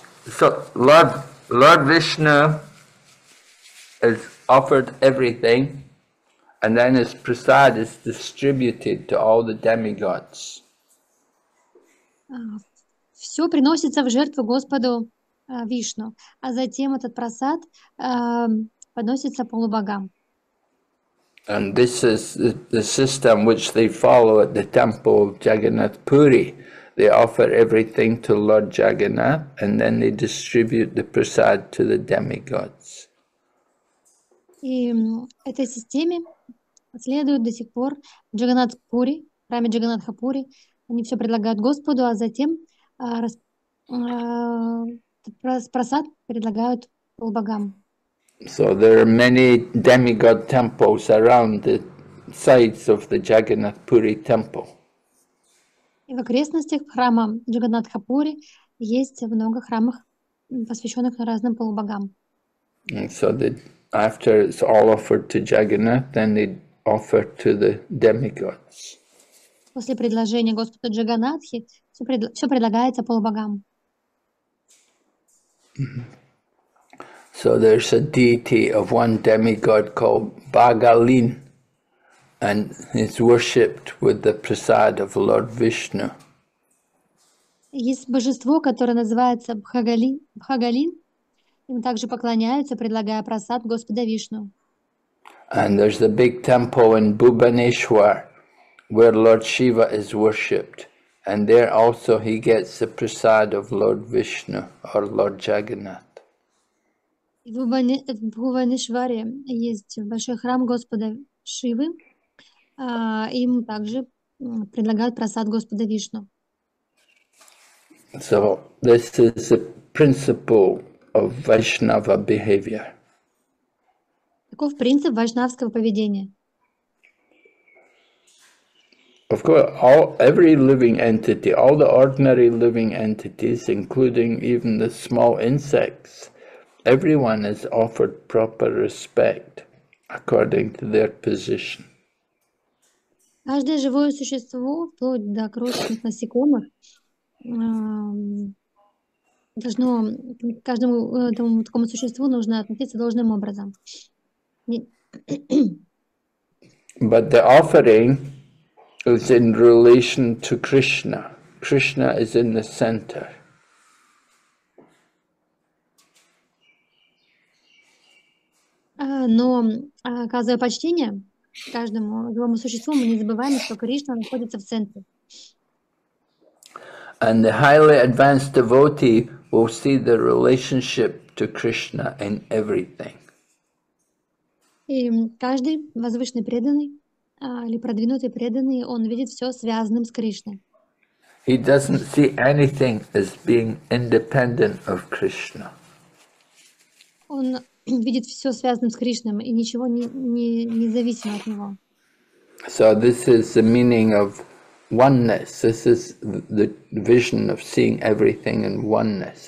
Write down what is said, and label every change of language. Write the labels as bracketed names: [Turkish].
[English] So Lord Vishnu is offered everything, and then his prasad is distributed to all the demigods. [Russian] Все приносится в жертву Господу Вишну, а затем этот прасад подносится полубогам. [English] And this is the system which they follow at the temple of Jagannath Puri. They offer everything to Lord Jagannath, and then they distribute the prasad to the demigods. [Russian] И этой системе следуют до сих пор Джаганнат Пури, в храме Джаганнатха Пури. Они все предлагают Господу, а затем прасад предлагают полубогам. [English] So there are many demigod temples around the sites of the Jagannath Puri temple. [Russian] И в окрестностях храма Джаганнатха Пури есть много храмов, посвященных разным полубогам. [English] So after it's all offered to Jagannath, then they offer to the demigods. [Russian] После предложения Господа Джаганнатхи все предлагается полубогам. [English] So there's a deity of one demigod called Bhagalin, and he's worshipped with the prasad of Lord Vishnu. [Russian] Есть божество, которое называется Бхагалин, им также поклоняются, предлагая прасад Господа Вишну. [English] And there's a big temple in Bhubaneswar where Lord Shiva is worshipped, and there also he gets the prasad of Lord Vishnu or Lord Jagannath. [Russian] В Бхуванешваре есть большой храм Господа Шивы, им также предлагают прасад Господа Вишну. [English] So this is the principle of Vaishnava behavior. [Russian] Таков принцип вайшнавского поведения. [English] Of course, every living entity, all the ordinary living entities, including even the small insects, everyone is offered proper respect according to their position. [Russian] Каждое живое существо, вплоть до крошечных насекомых, должно, каждому этому такому существу нужно относиться должным образом. [English] But the offering is in relation to Krishna. Krishna is in the center. [Russian] Но оказывая почтение каждому живому существу, мы не забываем, что Кришна находится в центре. [English] And the highly advanced devotee will see the relationship to Krishna in everything. [Russian] И каждый возвышенный преданный или продвинутый преданный, он видит все связанным с Кришной. [English] He doesn't see anything as being independent of Krishna. [Russian] Он видит все связанным с Кришной и ничего не независимо от него. [English] So this is the meaning of oneness. This is the vision of seeing everything in oneness.